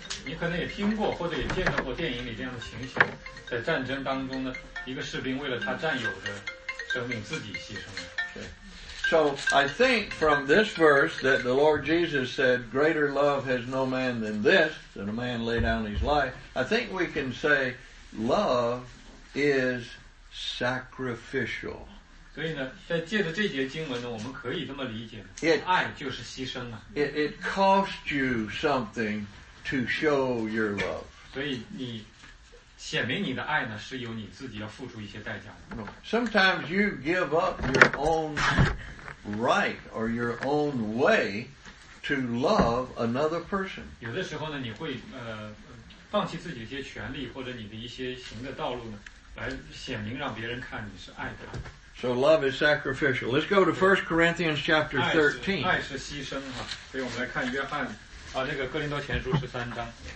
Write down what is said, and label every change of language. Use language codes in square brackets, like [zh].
[zh] 你可能也听过或者也见到过电影里这样的情形，在战争当中呢，一个士兵为了他战友的生命自己牺牲了。 [en] So I think from this verse that the Lord Jesus said, greater love has no man than this, than a man lay down his life, I think we can say, love is sacrificial. [zh] 所以呢，在借着这节经文呢，我们可以这么理解， [en] it, [zh] 爱就是牺牲啊。 [en] It cost you something to show your love. [zh] 所以你显明你的爱呢，是由你自己要付出一些代价的。 [en] Sometimes you give up your own right or your own way to love another person. [zh] 有的时候呢，你会放弃自己的一些权利或者你的一些行的道路呢，来显明让别人看你是爱的。 [en] So love is sacrificial. Let's go to 1 Corinthians chapter 13. [zh] 爱是牺牲哈，所以我们来看约翰啊，那个哥林多前书十三章。